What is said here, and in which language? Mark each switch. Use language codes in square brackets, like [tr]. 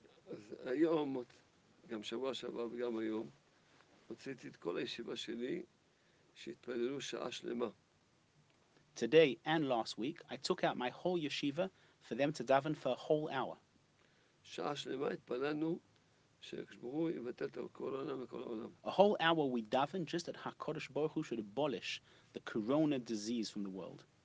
[he] אז היום, גם שבוע שעבר וגם היום, הוצאתי את כל הישיבה שלי שהתפללו שעה שלמה. [en] Today and last week, I took out my whole yeshiva for them to daven for a whole hour. [he] שעה שלמה התפללנו שהקשברו יבטל את הקורונה מכל העולם. [en] A whole hour we daven just that HaKadosh Baruch Hu should abolish the corona disease from the world.